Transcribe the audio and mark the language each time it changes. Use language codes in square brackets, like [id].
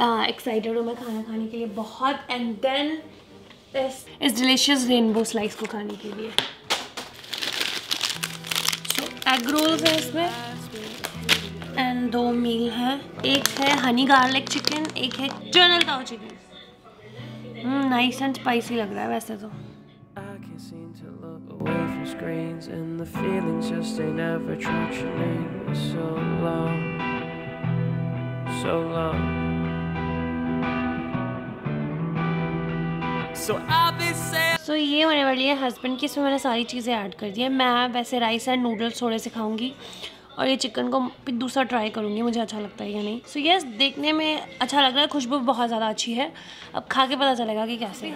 [hi] Excited हूँ मैं खाना खाने के लिए बहुत [en] and then [hi] इस डिलीशियस रेनबो स्लाइस को खाने के लिए। एग रोल्स है इसमें एंड 2 मील है, एक है हनी गार्लिक चिकन, एक है general Tao chicken. Nice and spicy लग रहा है वैसे तो। [en] Away from screens and the feelings just they never touch your name for so long, so long. So, [hi] ये होने वाली है हस्बैंड की, इसमें मैंने सारी चीज़ें ऐड कर दी है। मैं वैसे राइस एंड नूडल्स थोड़े से खाऊंगी और ये चिकन को फिर दूसरा ट्राई करूंगी मुझे अच्छा लगता है या नहीं। सो यस, देखने में अच्छा लग रहा है, खुशबू बहुत ज़्यादा अच्छी है, अब खा के पता चलेगा कि कैसे।